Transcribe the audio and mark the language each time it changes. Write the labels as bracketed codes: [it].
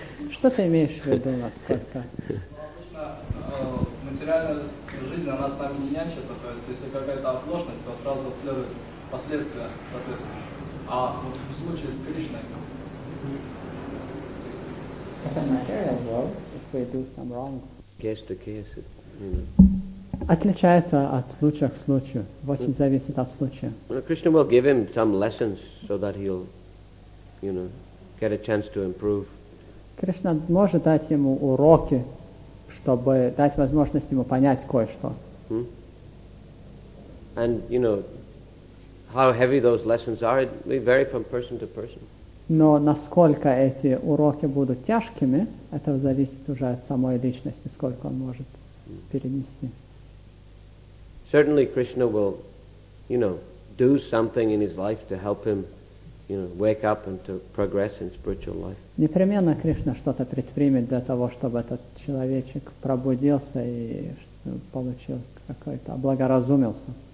[ru] Что ты имеешь в виду настолько? Обычно материальная жизнь, она с нами не нянчится, то есть если какая-то оплошность, то сразу следует последствия, соответственно. А вот в случае с Кришной. [en] It's a matter of love if we do some wrong. Case to case, you know. [ru] Отличается от случая к случаю. Очень зависит от случая. [en] Well, Krishna will give him some lessons so that he'll, you know, get a chance to improve. [ru] Кришна может дать ему уроки, чтобы дать возможность ему понять кое-что. Hmm? [en] And, you know, how heavy those lessons are, it may vary from person to person. [ru] Но насколько эти уроки будут тяжкими, это зависит уже от самой личности, сколько он может перенести. [en] Certainly Krishna will, you know, do something in his life to help him, you know, wake up and to progress in spiritual life. [ru] Непременно Кришна что-то предпримет для того, чтобы этот человечек пробудился и получил какой-то, облагоразумился.